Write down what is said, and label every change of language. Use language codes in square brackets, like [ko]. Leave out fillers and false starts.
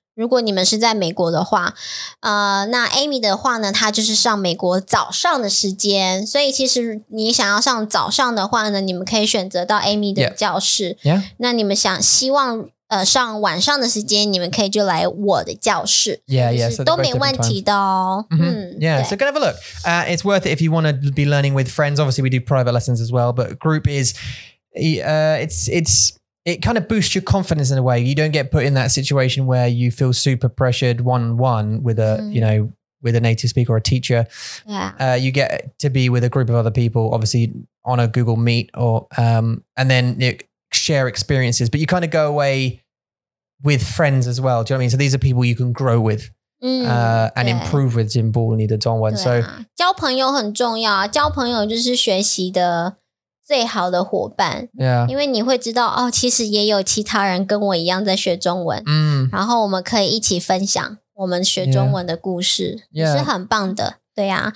[zh] 如果你们是在美国的话，那 Amy 的话呢，她就是上美国早上的时间，所以其实你想要上早上的话呢，你们可以选择到 Amy 的教室。 [en] Yeah. Yeah. [zh] 那你们想希望上晚上的时间，你们可以就来我的教室。 [en] Yeah, yeah, so they're both [zh] times. 都没问题的哦。 [en] Mm-hmm. Yeah, so go have a look. It's worth it if you want to be learning with friends. Obviously, we do private lessons as well, but group is, it kind of boosts your confidence in a way. You don't get put in that situation where you feel super pressured one-on-one with a, you know, with a native speaker or a teacher. Yeah. You get to be with a group of other people, obviously on a Google Meet or, and then share experiences, but you kind of go away with friends as well. Do you know what I mean? So these are people you can grow with. And improve with Jim Ball and the Don one. So [zh] 交朋友很重要，交朋友就是学习的最好的伙伴， [en] yeah. [zh] 因为你会知道哦，其实也有其他人跟我一样在学中文，然后我们可以一起分享我们学中文的故事， [en] yeah. [zh] 是很棒的，对呀、啊。